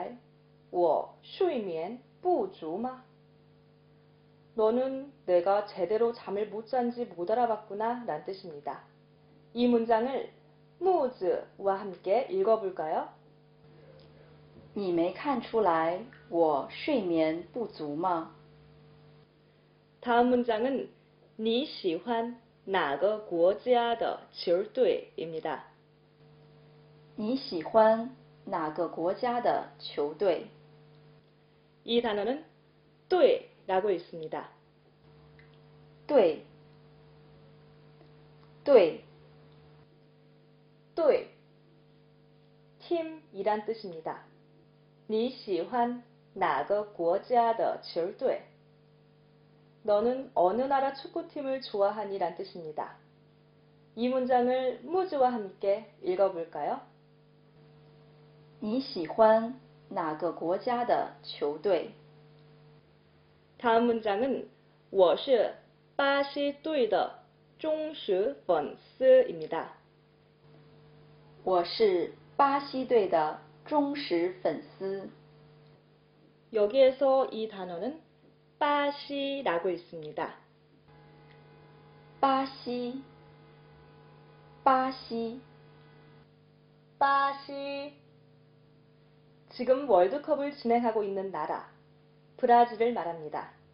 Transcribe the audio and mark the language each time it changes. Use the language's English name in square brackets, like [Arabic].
[Chinese] 你没看出来我睡眠不足吗? [Korean] 너는 내가 제대로 잠을 못 잔지 못 알아봤구나 라는 뜻입니다. 이 문장을 무즈와 함께 읽어볼까요? [Chinese] 你没看出来我睡眠不足吗? [Korean] 다음 문장은 [Chinese] 你喜欢哪个国家的球队? [Korean] 입니다. [Chinese] 你喜欢哪个国家的球队? [Korean] 이 단어는 对라고 있습니다. [Chinese] 对 [Korean] 对, 对, 팀이란 뜻입니다. [Chinese] 你喜欢哪个国家的球队？ [Korean] 너는 어느 나라 축구팀을 좋아하니란 뜻입니다. 이 문장을 무지와 함께 읽어볼까요? [Chinese] 你喜欢哪个国家的球队？ [Korean] 다음 문장은 [Chinese] 我是巴西队的忠实粉丝 [Korean] 입니다. [Chinese] 我是巴西队的忠实粉丝。 [Korean] 여기에서 이 단어는 巴西라고 있습니다. [Chinese] 巴西，巴西。巴西. [Korean] 지금 월드컵을 진행하고 있는 나라, 브라질을 말합니다.